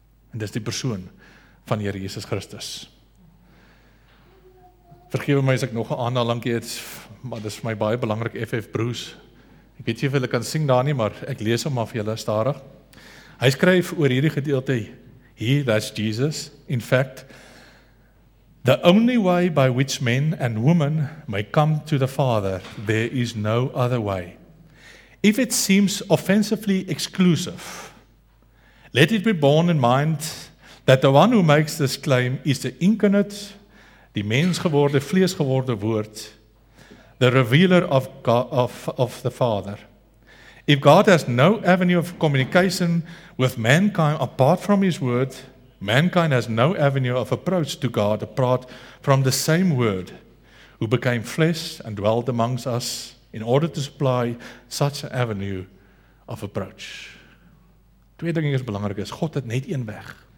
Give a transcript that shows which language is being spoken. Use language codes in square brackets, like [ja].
[af] En dis die persoon van Here Jesus Christus. Vergewe my as ek nog 'n aanhaling gee, maar dis vir my baie belangrik, F.F. Bruce. Ek weet nie of hulle kan sing daar nie, maar ek lees hom maar vir julle stadig. Hy skryf oor hierdie gedeelte, [en] He, that's Jesus. In fact, the only way by which men and women may come to the Father, there is no other way. If it seems offensively exclusive, let it be borne in mind that the one who makes this claim is the incarnate, [af] die mens geworde, vlees geworde woord, [en] the revealer of God, of the Father. If God has no avenue of communication with mankind apart from his word, Mankind has no avenue of approach to God apart from the same word who became flesh and dwelt amongst us in order to supply such an avenue of approach. [af] Twee dinge is belangrik is, God het net een weg.